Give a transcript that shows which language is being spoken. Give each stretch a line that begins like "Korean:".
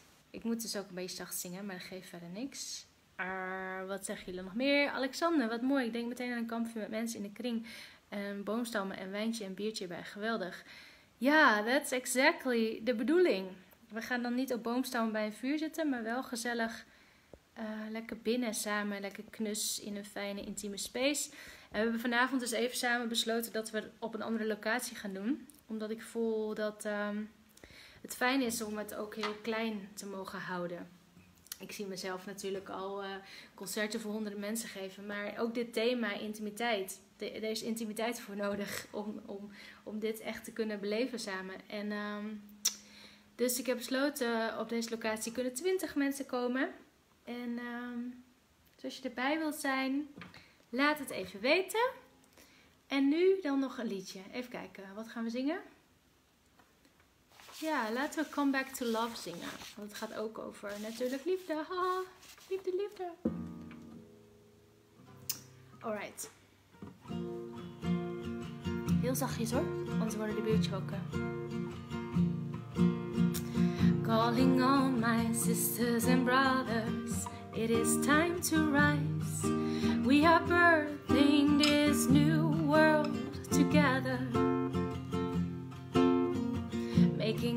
Dutch: Ik moet dus ook een beetje zacht zingen, maar dat geeft verder niks. Wat zeggen jullie nog meer? Alexander, wat mooi. Ik denk meteen aan een kampvuur met mensen in de kring. En boomstammen en wijntje en biertje bij. Geweldig.
English: Ja, yeah, that's exactly
Dutch: de bedoeling. We gaan dan niet op boomstammen bij een vuur zitten, maar wel gezellig lekker binnen samen. Lekker knus in een fijne, intieme space. En we hebben vanavond dus even samen besloten dat we het op een andere locatie gaan doen. Omdat ik voel dat het fijn is om het ook heel klein te mogen houden. Ik zie mezelf natuurlijk al concerten voor 100 mensen geven. Maar ook dit thema intimiteit. Er is intimiteit voor nodig om dit echt te kunnen beleven samen. En dus ik heb besloten, op deze locatie kunnen 20 mensen komen. En dus als je erbij wilt zijn, laat het even weten. En nu dan nog een liedje. Even kijken, wat gaan we zingen? Ja, laten we Come Back to Love zingen. Want het gaat ook over natuurlijk liefde. Ha, liefde, liefde.
English: Alright.
Dutch: Heel zachtjes hoor, anders worden de buurtjes wakker.
English: Calling all my sisters and brothers, it is time to rise. We are birthing this new world together, making